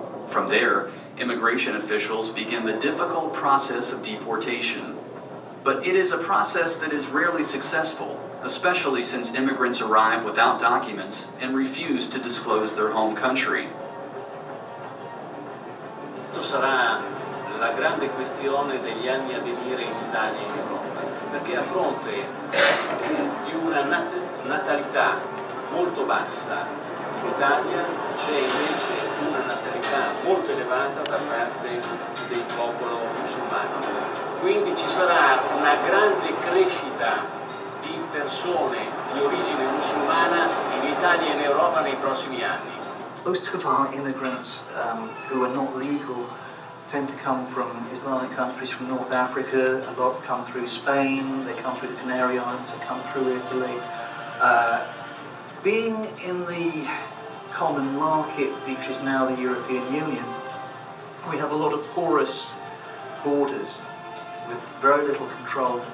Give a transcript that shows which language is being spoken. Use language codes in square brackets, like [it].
[en] From there, immigration officials begin the difficult process of deportation. But it is a process that is rarely successful, especially since immigrants arrive without documents and refuse to disclose their home country. [it] Sarà la grande questione degli anni a venire in Italia e in Europa, perché a fronte di una natalità molto bassa in Italia c'è invece una natalità molto elevata da parte del popolo musulmano. Quindi ci sarà una grande crescita di persone di origine musulmana in Italia e in Europa nei prossimi anni. [en] Most of our immigrants who are not legal tend to come from Islamic countries, from North Africa. A lot come through Spain, they come through the Canary Islands, they come through Italy. Being in the common market, which is now the European Union, we have a lot of porous borders with very little control.